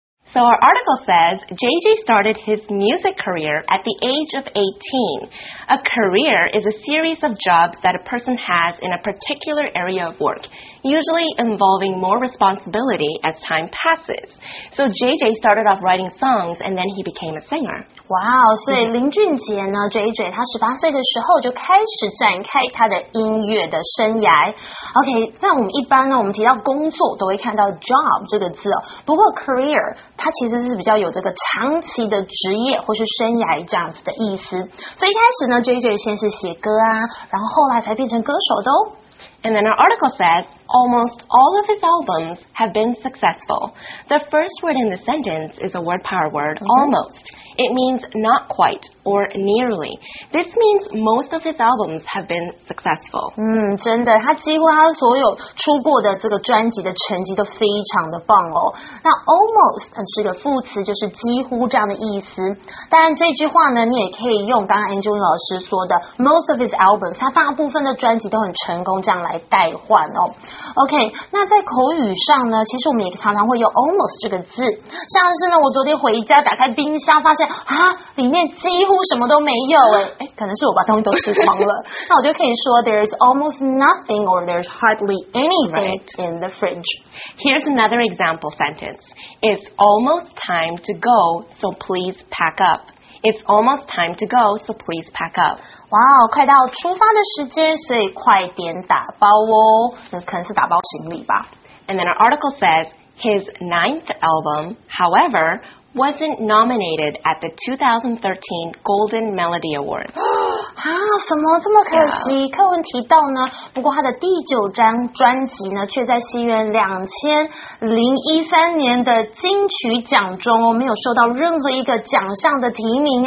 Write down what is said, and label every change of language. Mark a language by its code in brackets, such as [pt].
[en] So our article says, JJ started his music career at the age of 18. A career is a series of jobs that a person has in a particular area of work, usually involving more responsibility as time passes. So JJ started off writing songs and then he became a singer. [zh] Wow, 所以林俊杰呢 ,JJ, 他18岁的时候就开始展开他的音乐的生涯。 OK, 那我们一般呢我们提到工作都会看到 job 这个字哦。不过 career, 它其实是比较有这个长期的职业或是生涯这样子的意思。所以一开始呢 ,JJ 先是写歌啊然后后来才变成歌手的哦。 [en] And then our article says, almost all of his albums have been successful. The first word in the sentence is a word power word, almost. It means not quite or nearly. This means most of his albums have been successful. [zh] 真的，他几乎他所有出过的这个专辑的成绩都非常的棒哦。那 almost 是个副词，就是几乎这样的意思。当然这句话呢，你也可以用刚刚 Angeline 老师说的 [en] most of his albums, [zh] 他大部分的专辑都很成功这样来代换哦。 OK, 那在口语上呢其实我们也常常会用 almost 这个字。像是呢我昨天回家打开冰箱发现啊，里面几乎什么都没有哎，可能是我把东西都吃光了。那我就可以说 [en] there's almost nothing or there's hardly anything、 right. in the fridge. Here's another example sentence. It's almost time to go, so please pack up. It's almost time to go, so please pack up. [zh] Wow, 快到出发的时间，所以快点打包哦。那可能是打包行李吧。 [en] And then our article says, his ninth album, however, wasn't nominated at the 2013 Golden Melody Awards. [zh] 啊，什么这么可惜？课文提到呢，不过他的第九张专辑呢，却在西元2013年的金曲奖中没有受到任何一个奖项的提名。